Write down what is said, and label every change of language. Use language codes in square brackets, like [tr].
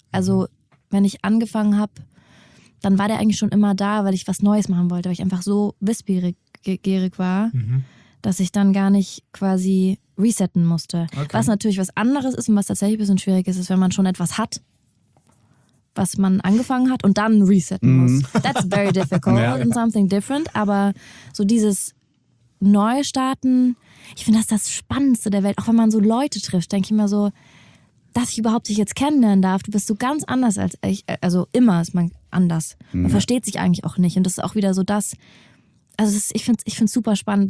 [de] Also wenn ich angefangen habe, dann war der eigentlich schon immer da, weil ich was Neues machen wollte, weil ich einfach so wissbegierig war, dass ich dann gar nicht quasi resetten musste. Okay. Was natürlich was anderes ist und was tatsächlich ein bisschen schwierig ist, ist, wenn man schon etwas hat, was man angefangen hat und dann resetten muss. [en] That's very difficult and something different. [de] Aber so dieses Neustarten, ich finde das Spannendste der Welt. Auch wenn man so Leute trifft, denke ich mir so, dass ich überhaupt dich jetzt kennenlernen darf. Du bist so ganz anders als ich. Also immer ist man anders. Man versteht sich eigentlich auch nicht. Und das ist auch wieder so das. Also das ist, ich find's super spannend.